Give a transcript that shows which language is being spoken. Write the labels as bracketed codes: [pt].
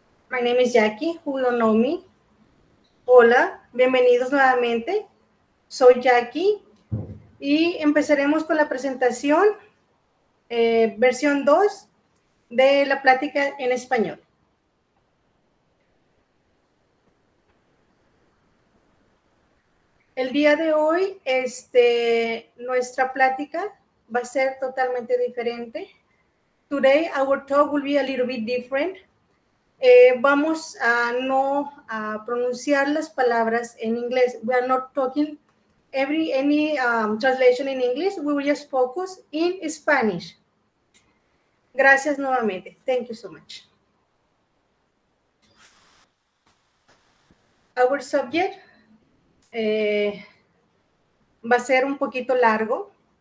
[en] My name is Jackie, who don't know me. [es] Hola, bienvenidos nuevamente. Soy Jackie y empezaremos con la presentación versión 2 de la plática en español. El día de hoy, nuestra plática va a ser totalmente diferente. [en] Today, our talk will be a little bit different. [es] Vamos a no a pronunciar las palabras en inglés. [en] We are not talking any translation in English. We will just focus in Spanish. [es] Gracias nuevamente. [en] Thank you so much. Our subject [es] va a ser un poquito largo.